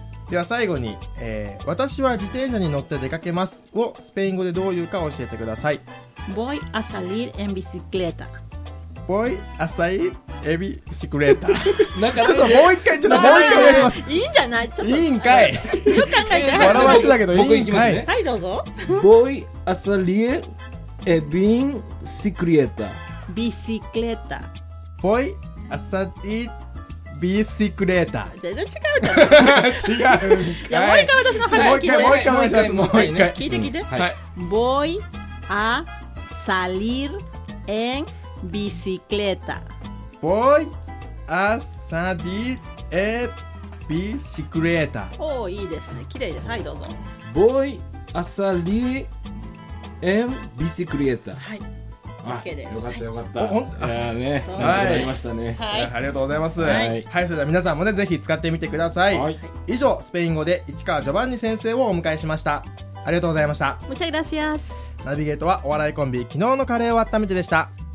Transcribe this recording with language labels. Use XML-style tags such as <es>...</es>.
<ja>では最後に、私は自転車に乗って出かけますをスペイン語でどういうか教えてください。</ja> <es>Voy a salir en bicicleta. Voy a salir en bicicleta.</es> <ja>ちょっともう一回、ちょっともう一回お願いします。いいんじゃない、ちょっといいんかい。よく考えて、笑われてたけど、いいんかい。はい、どうぞ。</ja> <es>Voy a salir en bicicleta. Bicicleta. Voy a salirビシクレーター</es> <ja>。 全然違うじゃん。違う。いや、もう一回私の話聞いて。もう一回、もう一回、もう一回。聞いて聞いて。はい。</ja> <es>Voy a salir en bicicleta. Voy a salir en bicicleta.</es> <ja>おー、いいですね。綺麗です。はい、どうぞ。</ja> <es>Voy a salir en bicicleta.</es> <ja>はい。あ、よかったよかった。いやね、なんかありましたね。はい、ありがとうございます。はい、はい、それでは皆さんもね、ぜひ使ってみてください。はい、以上、スペイン語で市川ジョバンニ先生をお迎えしました。ありがとうございました。</ja> <es>Muchas gracias。</es> <ja>ナビゲートはお笑いコンビ、昨日のカレーを温めてでした。</ja>